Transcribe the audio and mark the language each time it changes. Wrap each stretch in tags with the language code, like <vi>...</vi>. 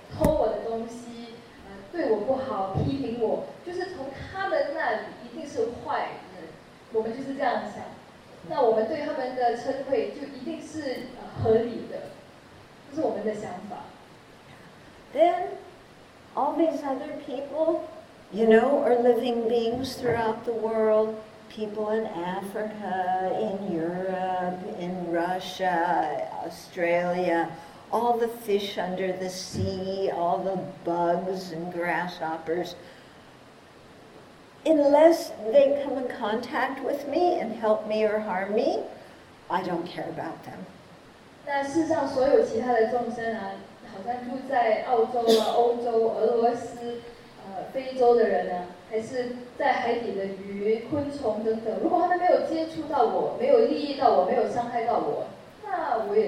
<zh>偷我的东西, 对我不好, 批评我, 就是从他们那里一定是坏, 我们就是这样想，那我们对他们的称谓就一定是合理的，这是我们的想法。</zh> <en>Then all these other people, you know, are living beings throughout the world, people in Africa, in Europe, in Russia, Australia, all the fish under the sea, all the bugs and grasshoppers. Unless they come in contact with me and help me or harm me, I don't care about them.</en> <zh>那事实上所有其他的众生啊，好像住在澳洲啊、欧洲、俄罗斯、非洲的人啊，还是在海底的鱼、昆虫等等，如果他们没有接触到我、没有利益到我、没有伤害到我，那我。</zh>